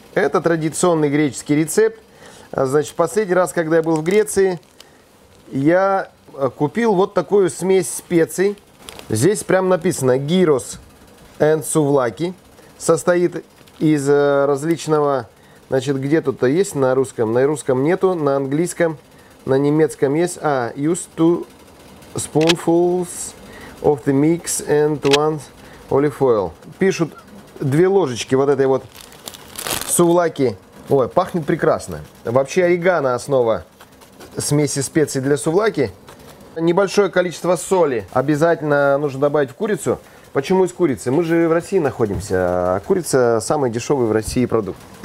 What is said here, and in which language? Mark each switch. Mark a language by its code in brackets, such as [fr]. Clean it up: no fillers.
[ru] Это традиционный греческий рецепт. Значит, последний раз, когда я был в Греции, я купил вот такую смесь специй. Здесь прям написано «Gyros and souvlaki». Состоит из различного, значит, где тут-то есть на русском? На русском нету, на английском, на немецком есть. [en] А, use two spoonfuls of the mix and one olive oil. [ru] Пишут две ложечки вот этой вот сувлаки. Ой, пахнет прекрасно. Вообще орегано основа смеси специй для сувлаки. Небольшое количество соли обязательно нужно добавить в курицу. Почему из курицы? Мы же в России находимся, а курица самый дешевый в России продукт.